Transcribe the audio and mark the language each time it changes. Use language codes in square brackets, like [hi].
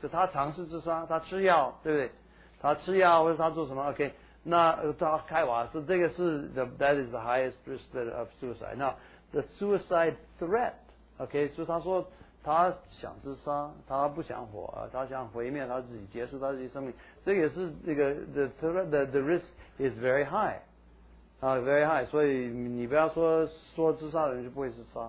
[zh] 可他尝试自杀，他吃药，对不对？他吃药或者他做什么 ？OK， 那他开瓦斯，这个是 that is the highest risk of suicide. [en] Now, the suicide threat. [zh] OK， 所以他说他想自杀，他不想活，他想毁灭他自己，结束他自己生命。 [en] 这个也是那个 the threat the risk is very high. Very high. [zh] 所以你不要说自杀的人就不会自杀。